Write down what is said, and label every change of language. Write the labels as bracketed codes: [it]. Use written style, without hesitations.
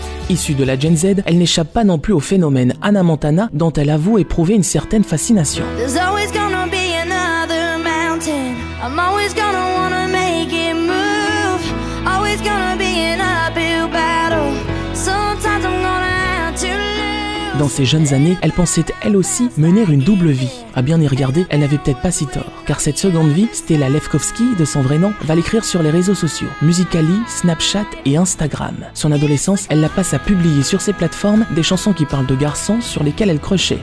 [fr] Issue de la Gen Z, elle n'échappe pas non plus au phénomène Hannah Montana dont elle avoue éprouver une certaine fascination. [en] There's always gonna be another mountain. I'm always gonna wanna make it move. Always gonna be an uphill battle. Sometimes I'm gonna have to lose. [fr] Dans ses jeunes années, elle pensait elle aussi mener une double vie. À bien y regarder, elle n'avait peut-être pas si tort. Car cette seconde vie, Stella Lefkowski, de son vrai nom, va l'écrire sur les réseaux sociaux. Musical.ly, Snapchat et Instagram. Son adolescence, elle la passe à publier sur ses plateformes des chansons qui parlent de garçons sur lesquels elle crochait.